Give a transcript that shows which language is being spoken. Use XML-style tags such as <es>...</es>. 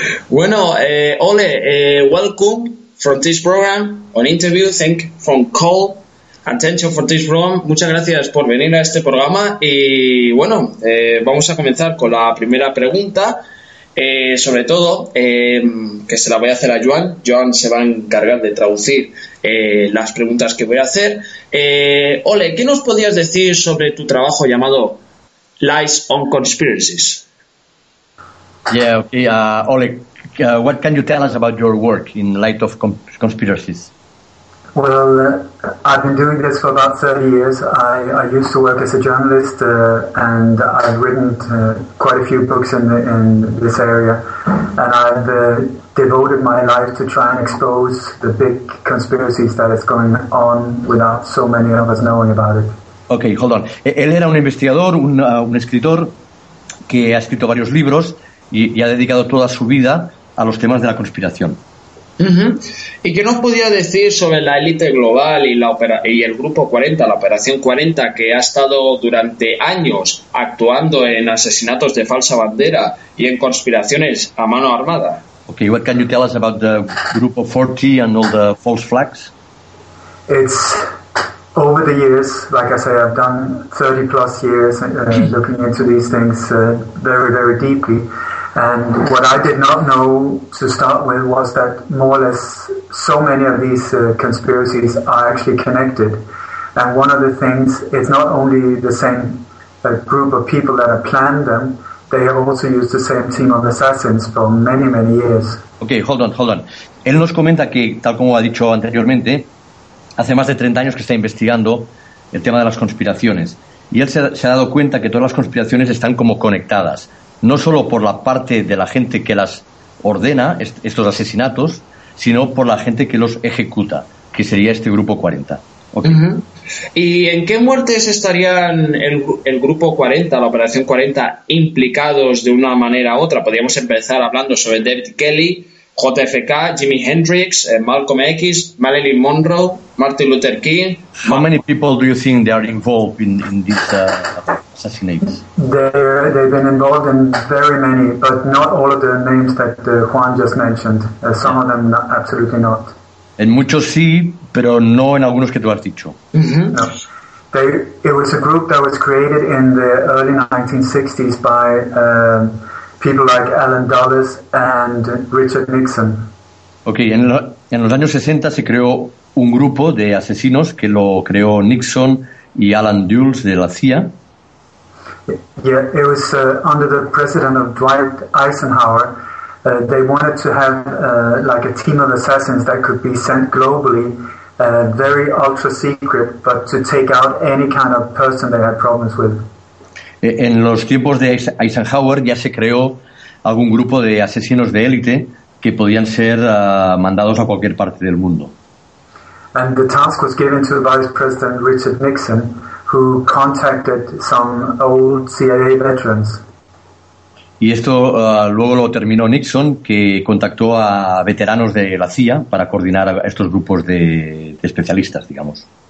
<es>Bueno,</es> <en>Ole, welcome from this program, on interview, thank you for call, attention for this program.</en> <es>Muchas gracias por venir a este programa y bueno, vamos a comenzar con la primera pregunta, sobre todo, que se la voy a hacer a Joan. Joan se va a encargar de traducir las preguntas que voy a hacer. Ole, ¿qué nos podías decir sobre tu trabajo llamado Lies on Conspiracies?</es> <en>Yeah, okay. Oleg, what can you tell us about your work in light of conspiracies? Well, I've been doing this for about 30 years. I used to work as a journalist, and I've written quite a few books in this area. And I've devoted my life to try and expose the big conspiracies that is going on without so many of us knowing about it. Okay, hold on.</en> <es>Él era un investigador, un escritor que ha escrito varios libros. Y ha dedicado toda su vida a los temas de la conspiración. Uh-huh. ¿Y qué nos podía decir sobre la élite global y el Grupo 40, la Operación 40, que ha estado durante años actuando en asesinatos de falsa bandera y en conspiraciones a mano armada?</es> <en>Okay, what can you tell us about the Group of 40 and all the false flags? It's over the years, like I say, I've done 30 plus years looking into these things very, very deeply. And what I did not know to start with was that more or less so many of these conspiracies are actually connected. And one of the things is not only the same group of people that have planned them, they have also used the same team of assassins for many, many years. Okay, hold on.</en> <es>Él nos comenta que, tal como ha dicho anteriormente, hace más de 30 años que está investigando el tema de las conspiraciones. Y él se ha dado cuenta que todas las conspiraciones están como conectadas. No solo por la parte de la gente que las ordena, estos asesinatos, sino por la gente que los ejecuta, que sería este Grupo 40.</es> <en>Okay.</en> <es>Uh-huh. ¿Y en qué muertes estarían el Grupo 40, la Operación 40, implicados de una manera u otra? Podríamos empezar hablando sobre David Kelly, JFK, Jimi Hendrix, Malcolm X, Marilyn Monroe, Martin Luther King.</es> <en>How many people do you think they are involved in these assassinates? They've been involved in very many, but not all of the names that Juan just mentioned. Some of them, absolutely not.</en> <es>En muchos sí, pero no en algunos que tú has dicho. Mm-hmm. No.</es> <en>It was a group that was created in the early 1960s by people like Alan Dulles and Richard Nixon.</en> <es>Okay, en los años 60 se creó un grupo de asesinos que lo creó Nixon y Alan Dulles de la CIA.</es> <en>Yeah, it was under the president of Dwight Eisenhower. They wanted to have like a team of assassins that could be sent globally, very ultra secret, but to take out any kind of person they had problems with.</en> <es>En los tiempos de Eisenhower ya se creó algún grupo de asesinos de élite que podían ser mandados a cualquier parte del mundo.</es> <en>And the task was given to Vice President Richard Nixon, who contacted some old CIA veterans.</en> <es>Y esto luego lo terminó Nixon, que contactó a veteranos de la CIA para coordinar estos grupos de especialistas, digamos.</es>